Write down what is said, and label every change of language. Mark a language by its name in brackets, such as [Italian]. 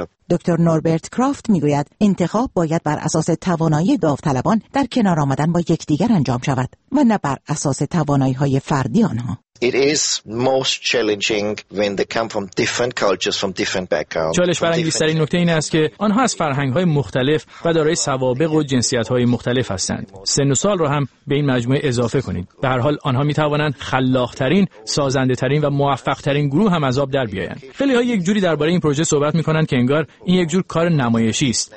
[Persian] دکتر نوربرت کرافت میگوید انتخاب باید بر اساس توانایی داوطلبان در کنار آمدن با یکدیگر انجام شود و نه بر اساس توانایی‌های فردی آنها. [English] It is most challenging when they come from different cultures, from different backgrounds. [Persian] چالش برانگیزترین نکته این است که آنها از فرهنگ‌های مختلف و دارای سوابق و جنسیت‌های مختلف هستند. سن و سال را هم به این مجموعه اضافه کنید. به هر حال آنها می‌توانند خلاق‌ترین، سازنده‌ترین و موفق‌ترین گروه هم از آب در بیایند. خیلی‌ها یک جوری درباره این پروژه صحبت می‌کنند که انگار این یک جور کار نمایشی است.